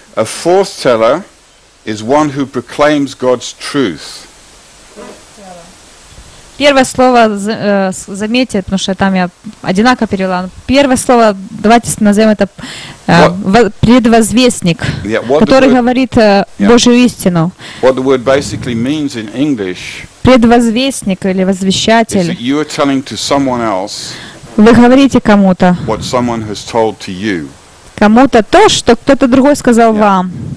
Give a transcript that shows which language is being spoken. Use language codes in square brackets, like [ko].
[en] A foreteller is one who proclaims God's truth. [ru] Первое слово заметьте, потому что там я одинаково перевела. Первое слово давайте назовем это предвозвестник, который говорит Божью истину. [en] What the word basically means in English? [ru] Предвозвестник или возвещатель. [en] Is that you are telling to someone else? [ru] Вы говорите кому-то. [en] What someone has told to you? [ru] Кому-то то, что кто-то другой сказал вам.